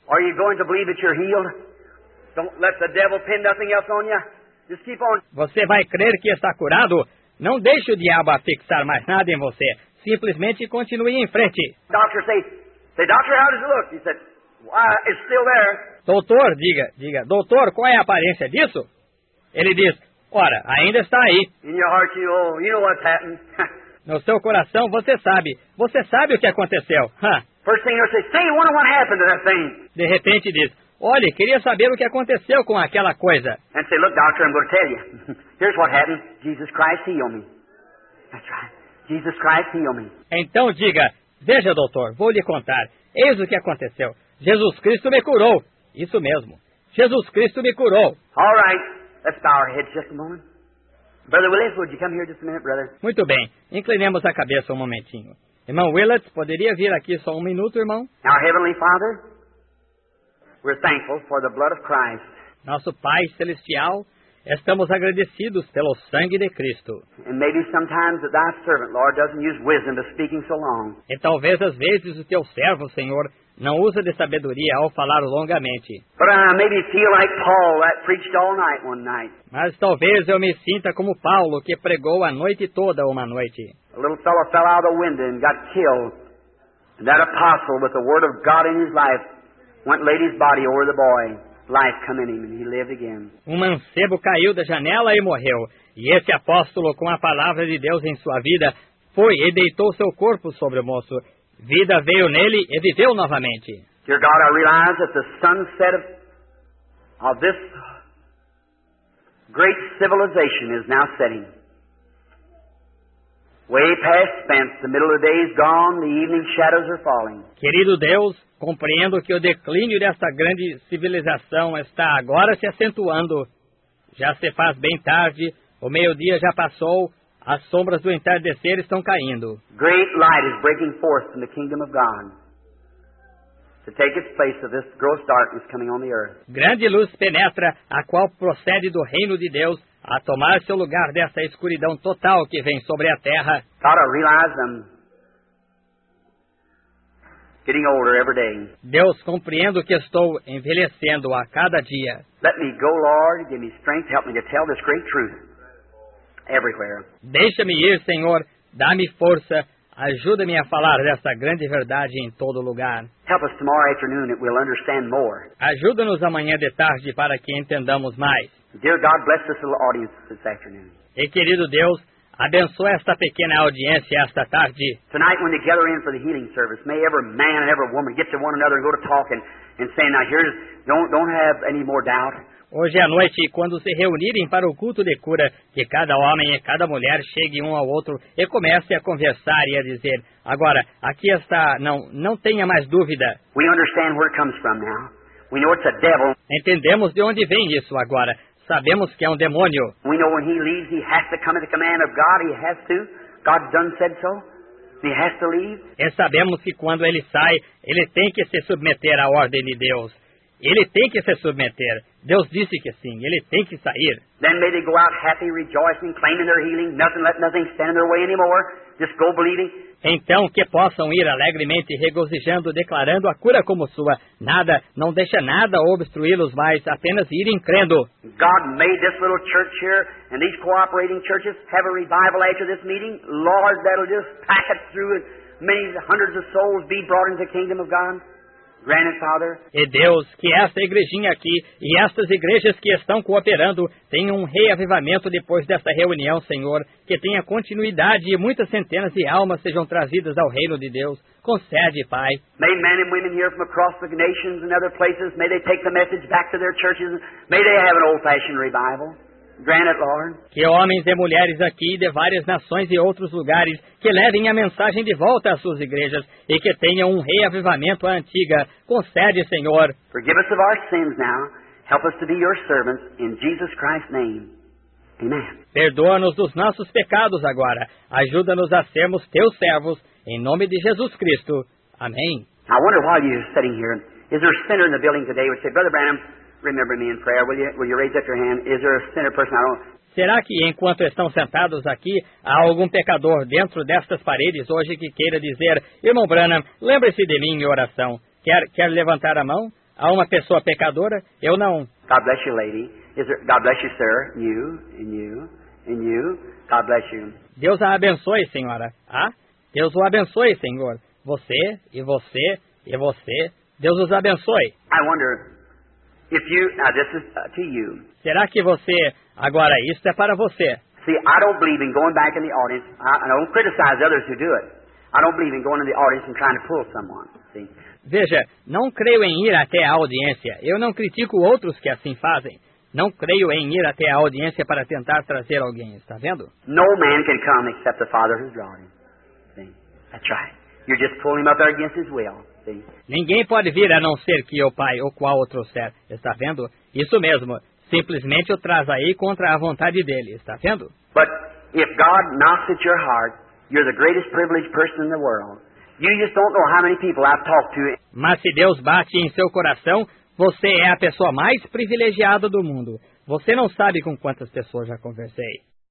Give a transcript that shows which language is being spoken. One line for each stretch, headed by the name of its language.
English: Are you going to believe that you're healed? Don't let the devil pin nothing else on you. Just keep on.
Portuguese: Você vai crer que está curado? Não deixe o diabo fixar mais nada em você. Simplesmente continue em frente.
English: Doctor, say, doctor, how does it look? He said, it's still there.
Portuguese: Doutor, diga, doutor, qual é a aparência disso? Ele diz, ora, ainda está aí.
English: In your heart, you know what's happened.
Portuguese: No seu coração, você sabe o que aconteceu.
English: First thing you say, say, wonder what happened to that thing.
Portuguese: De repente diz, olhe, queria saber o que aconteceu com aquela coisa.
English: And say, look, doctor, I'm going to tell you. Here's what happened. Jesus Christ healed me. That's right. Jesus Christ healed me.
Portuguese: Então diga, veja, doutor, vou lhe contar. Eis o que aconteceu. Jesus Cristo me curou. Isso mesmo. Jesus Cristo me curou.
English: All right. Let's bow our heads just a moment. Brother Willis, would you come here just a minute, brother?
Portuguese: Muito bem. Inclinemos a cabeça um momentinho. Irmão Willis, poderia vir aqui só um minuto, irmão?
English: Our Heavenly Father, we're thankful for the blood of Christ.
Portuguese: Nosso Pai Celestial, estamos agradecidos pelo sangue de Cristo.
English: And maybe sometimes thy servant, Lord, doesn't use wisdom to speaking so long.
Portuguese: E talvez às vezes o teu servo, Senhor, não usa de sabedoria ao falar longamente.
English: But I maybe feel like Paul that preached all night one night.
Portuguese: Mas talvez eu me sinta como Paulo, que pregou a noite toda uma noite.
English: A little fellow fell out of the window and got killed. And that apostle with the word of God in his life went laid his body over the boy. Life come in him and he lived again.
Portuguese: Um mancebo caiu da janela e morreu. E esse apóstolo com a palavra de Deus em sua vida foi e deitou seu corpo sobre o moço. Vida veio nele e viveu novamente.
English: Dear God, I realize that the sunset of this great civilization is now setting. Way past spent, the middle of the day is gone, the evening shadows are falling.
Portuguese: Querido Deus, compreendo que o declínio desta grande civilização está agora se acentuando. Já se faz bem tarde, o meio-dia já passou. As sombras do entardecer estão caindo.
English: Great light is breaking forth in the kingdom of God to take its place of this gross darkness coming on the earth.
Portuguese: Grande luz penetra, a qual procede do reino de Deus, a tomar seu lugar desta escuridão total que vem sobre a terra.
English: God, I realize I'm getting older every day.
Portuguese: Deus, compreendo que estou envelhecendo a cada dia.
English: Let me go, Lord. Give me strength. Help me to tell this great truth. Everywhere.
Portuguese: Deixa-me ir, Senhor. Dá-me força. Ajuda-me a falar desta grande verdade em todo lugar.
English: Help us tomorrow afternoon that we'll understand more.
Portuguese: Ajuda-nos amanhã de tarde para que entendamos mais.
English: Dear God, bless this little audience this afternoon.
Portuguese: E querido Deus, abençoe esta pequena audiência esta tarde.
English: Tonight when they gather in for the healing service, may every man and every woman get to one another and go to talking and saying, now here's, don't have any more doubt.
Portuguese: Hoje à noite, quando se reunirem para o culto de cura, que cada homem e cada mulher cheguem um ao outro e comecem a conversar e a dizer, agora, aqui está, não tenha mais dúvida.
English: We understand where it comes from now. We know it's a devil.
Portuguese: Entendemos de onde vem isso agora. Sabemos que é um demônio.
English: We know when he leaves, he has to come at the command of God. He has to. God done said so. He has to leave.
Portuguese: E sabemos que quando ele sai, ele tem que se submeter à ordem de Deus. Ele tem que se submeter. Deus disse que sim, ele tem que sair.
English: Then may they go out happy, rejoicing, claiming their healing. Nothing, let nothing stand in their way anymore. Just go believing.
Portuguese: Então que possam ir alegremente, regozijando, declarando a cura como sua. Nada, não deixa nada obstruí-los mais, apenas irem crendo.
English: God made this little church here, and these cooperating churches have a revival after this meeting. Lord, that'll just pack it through and many hundreds of souls be brought into the kingdom of God. Grandfather.
Portuguese: E Deus, que esta igrejinha aqui e estas igrejas que estão cooperando tenham um reavivamento depois desta reunião, Senhor, que tenha continuidade e muitas centenas de almas sejam trazidas ao reino de Deus. Concede, Pai.
English: May men and women here from across the nations and other places, may they take the message back to their churches. May they have an old-fashioned revival. Grant it, Lord.
Portuguese: Que homens e mulheres aqui de várias nações e outros lugares que levem a mensagem de volta às suas igrejas e que tenham um reavivamento à antiga. Concede, Senhor.
English: Forgive us of our sins now. Help us to be your servants in Jesus Christ's name. Amen.
Portuguese: Perdoa-nos dos nossos pecados agora. Ajuda-nos a sermos teus servos em nome de Jesus Cristo. Amém.
English: I wonder why you're sitting here. Is there a sinner in the building today who would say, Brother Branham, remember me in prayer, will you raise up your hand? Is there a sinner person? I don't...
Portuguese: Será que enquanto estão sentados aqui, há algum pecador dentro destas paredes hoje que queira dizer, Irmão Branham, lembre-se de mim em oração. Quer levantar a mão? Há uma pessoa pecadora? Eu não.
English: God bless you, lady. God bless you, sir. You, and you, and you. God bless you.
Portuguese: Deus a abençoe, senhora. Ah? Deus o abençoe, senhor. Você, e você, e você. Deus os abençoe.
English: I wonder if you... Now, this is to you.
Portuguese: Será que você... Agora, isso é para você.
English: See, I don't believe in going back in the audience. I don't criticize others who do it. I don't believe in going in the audience and trying to pull someone. See?
Portuguese: Veja, não creio em ir até a audiência. Eu não critico outros que assim fazem. Não creio em ir até a audiência para tentar trazer alguém. Está vendo?
English: No man can come except the Father who's drawn him. See? That's right. You're just pulling him up there against his will. See?
Portuguese: Ninguém pode vir a não ser que o Pai ou qual outro ser. Está vendo? Isso mesmo. Simplesmente o traz aí contra a vontade dele, está vendo?
English: But if God knocks at your heart, you're the greatest privileged person in the world. You just don't know how many people I've talked to.
Portuguese: Mas se Deus bate em seu coração, você é a pessoa mais privilegiada do mundo. Você não sabe com quantas pessoas já conversei.